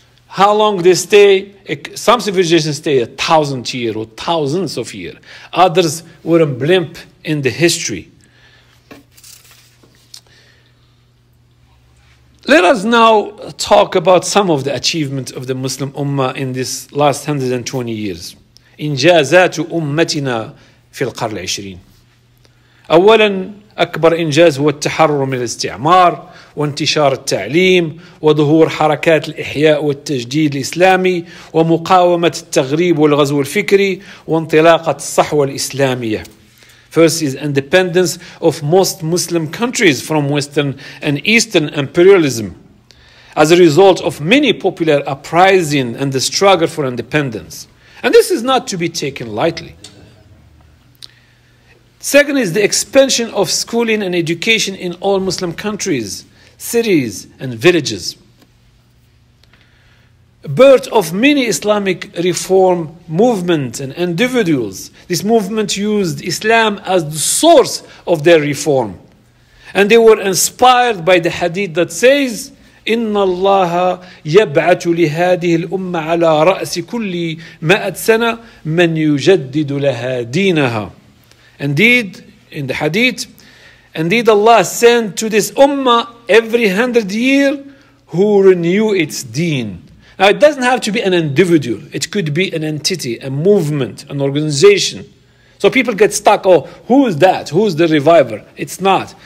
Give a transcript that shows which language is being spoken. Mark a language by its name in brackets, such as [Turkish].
[English] How long they stay? Some civilizations stay 1,000 years or thousands of years. Others were a blimp in the history. Let us now talk about some of the achievements of the Muslim Ummah in this last 120 years. [Arabic] إنجازات أمتنا في القرن العشرين. أولا أكبر إنجاز هو التحرر من الاستعمار وانتشار التعليم وظهور حركات الإحياء والتجديد الإسلامي ومقاومة التغريب والغزو الفكري وانطلاقة الصحوة الإسلامية. [English] First is independence of most Muslim countries from Western and Eastern imperialism as a result of many popular uprising and the struggle for independence. And this is not to be taken lightly. Second is the expansion of schooling and education in all Muslim countries, cities, and villages. Birth of many Islamic reform movements and individuals. This movement used Islam as the source of their reform. And they were inspired by the hadith that says, [Arabic] إِنَّ اللَّهَ يَبْعَثُ لِهَذِهِ الْأُمَّ عَلَىٰ رَأْسِ كُلِّ مَأَتْ سَنَى مَنْ يُجَدِّدُ لَهَا دِينَهَا. [English] Indeed, in the hadith, indeed Allah sent to this ummah every 100 years who renew its deen. Now it doesn't have to be an individual. It could be an entity, a movement, an organization. So people get stuck, oh, who is that? Who is the reviver? It's not.